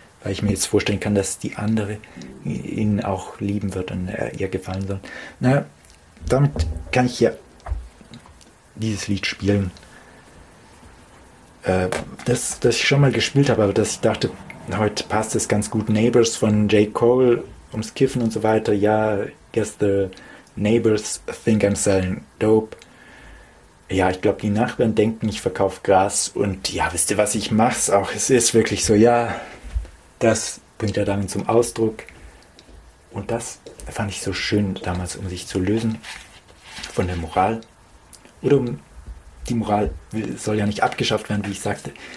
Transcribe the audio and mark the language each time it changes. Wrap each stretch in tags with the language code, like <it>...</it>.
<de>Weil ich mir jetzt vorstellen kann, dass die andere ihn auch lieben wird und ihr gefallen soll. Naja, damit kann ich ja dieses Lied spielen. das ich schon mal gespielt habe, aber dass ich dachte, heute passt es ganz gut. Neighbors von J. Cole, ums Kiffen und so weiter.</de> <en>Ja, guess the neighbors think I'm selling dope.</en> <de>Ja, ich glaube, die Nachbarn denken, ich verkaufe Gras. Und ja, wisst ihr was, ich mach's auch. Es ist wirklich so, ja, das bringt er dann zum Ausdruck. Und das fand ich so schön damals, um sich zu lösen von der Moral. Oder um die Moral soll ja nicht abgeschafft werden, wie ich sagte.</de>